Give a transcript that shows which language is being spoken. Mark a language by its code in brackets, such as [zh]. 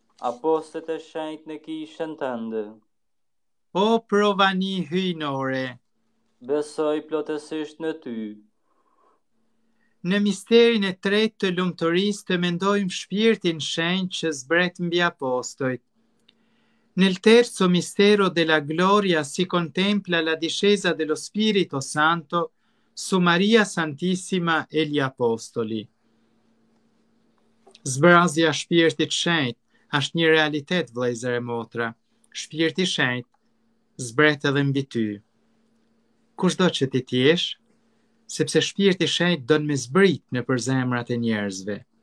[sq] apostët e shenjt në kishën tënde. O provani hyjnore, besoj plotësisht në ty. Në misterin e tretë të lumturisë të mendojmë shpirtin shenjt që zbret mbi apostojt. [it] Nel terzo mistero della gloria si contempla la discesa dello Spirito Santo su Maria Santissima e gli Apostoli. [sq] Zbrazja shpirtit shenjt është një realitet, vëllezër e motra. Shpirti shenjt zbret edhe mbi ty. Kushdo që ti jesh, sepse shpirti shenjt don me zbrit në përzemrat e njerëzve.